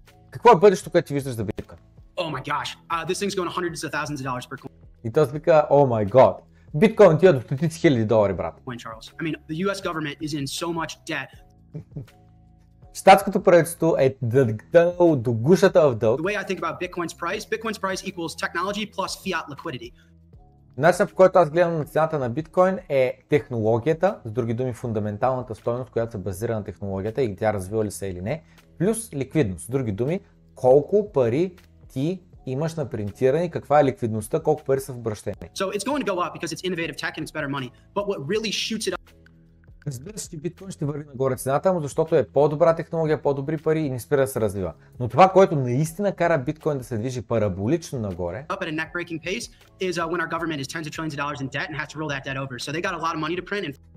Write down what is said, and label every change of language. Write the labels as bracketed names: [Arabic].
[Bulgarian] Какво е бъдещето, което ти виждаш за Bitcoin? [English] Oh my gosh, this thing's going hundreds of thousands of dollars per coin. [Bulgarian] И той вика, [English] oh my god, [Bulgarian] биткоин тия до 30 000 долари, брат. [English] Charles, I mean, the US government is in so much debt. [Bulgarian] Щатското правителство е дъгнало до гушата в дълг. [English] The way I think about Bitcoin's price equals technology plus fiat liquidity. [Bulgarian] Начинът, по който аз гледам на цената на биткоин, е технологията, с други думи фундаменталната стойност, която се базира на технологията и тя развива ли се или не, плюс ликвидност, с други думи колко пари ти имаш на принтиране, каква е ликвидността, колко пари са в обращение. [English] So it's going to go up because it's innovative tech and it's better money. But what really shoots it up? [Bulgarian] Разбира се, биткоин ще върви нагоре цената му, защото е по-добра технология, по-добри пари и не спира да се развива. Но това, което наистина кара биткоин да се движи параболично нагоре, [English] up at a neck-breaking pace is when our government is tens of trillions of dollars in debt and has to roll that debt over. So they got a lot of money to print.